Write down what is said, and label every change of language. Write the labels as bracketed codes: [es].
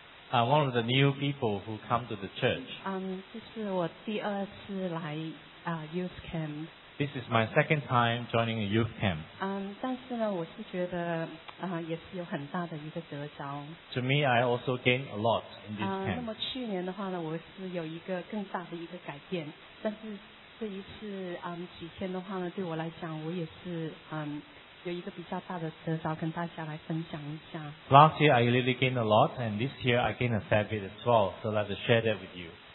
[en] One of the new people who come to the church. [zh] 这是我第二次来youth camp. [en] This is my second time joining a youth camp. [zh] 但是呢，我是觉得也是有很大的一个得着。 [en] To me, I also gain a lot in this camp. [zh] 那么去年的话呢，我是有一个更大的一个改变，但是这一次几天的话呢，对我来讲，我也是。 [en] Last year I really gained a lot, and this year I gained a fair bit as well. So I'd like to share that with you.